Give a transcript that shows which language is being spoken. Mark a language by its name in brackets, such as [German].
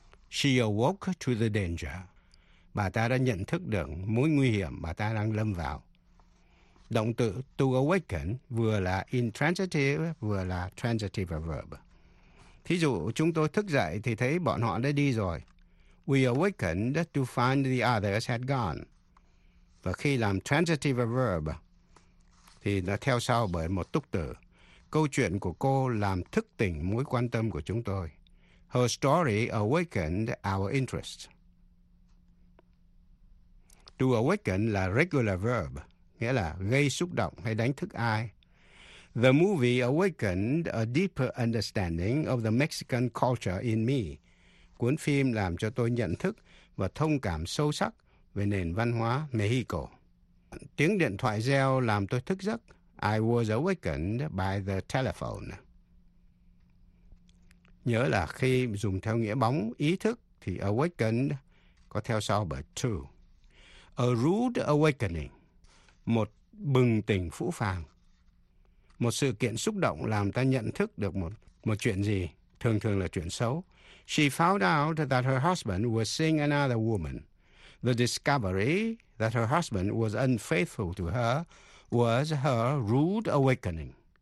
[English] She awoke to the danger. [Vietnamese] Bà ta đã nhận thức được mối nguy hiểm bà ta đang lâm vào. Động từ to awaken vừa là intransitive vừa là transitive verb. Thí dụ, chúng tôi thức dậy thì thấy bọn họ đã đi rồi. [English] We awakened to find the others had gone. [Vietnamese] Và khi làm transitive verb, thì nó theo sau bởi một túc từ. Câu chuyện của cô làm thức tỉnh mối quan tâm của chúng tôi. [English] Her story awakened our interest. [Vietnamese] To awaken là regular verb, nghĩa là gây xúc động hay đánh thức ai. [English] The movie awakened a deeper understanding of the Mexican culture in me. [Vietnamese] Cuốn phim làm cho tôi nhận thức và thông cảm sâu sắc về nền văn hóa Mexico. Tiếng điện thoại reo làm tôi thức giấc. [English] I was awakened by the telephone. [Vietnamese] Nhớ là khi dùng theo nghĩa bóng ý thức thì awakened có theo sau bởi to. [English] A rude awakening. [Vietnamese] Một bừng tỉnh phũ phàng. Một sự kiện xúc động làm ta nhận thức được một chuyện gì, thường thường là chuyện xấu. [English] She found out that her husband was seeing another woman. The discovery that her husband was unfaithful to her was her rude awakening.